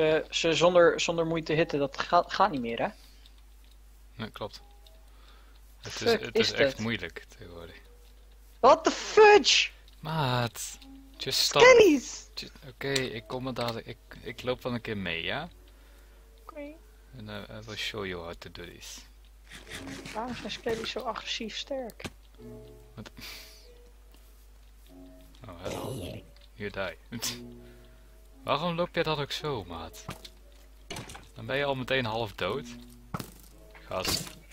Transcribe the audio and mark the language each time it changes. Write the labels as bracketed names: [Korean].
[Dutch] Ze zonder moeite hitten, dat gaat niet meer, hè? Nee, klopt. Het is echt moeilijk tegenwoordig. [English] What the fudge? Maat, just stop. Skellies! [Dutch] Okay, ik kom er dadelijk. Ik loop wel een keer mee, ja? Oké. [English] Okay. And I will show you how to do this. [Dutch] Waarom zijn skellies zo agressief sterk? Wat? [English] Oh, hello. You die. [Dutch] Waarom loop je dat ook zo, maat? Dan ben je al meteen half dood. Gast.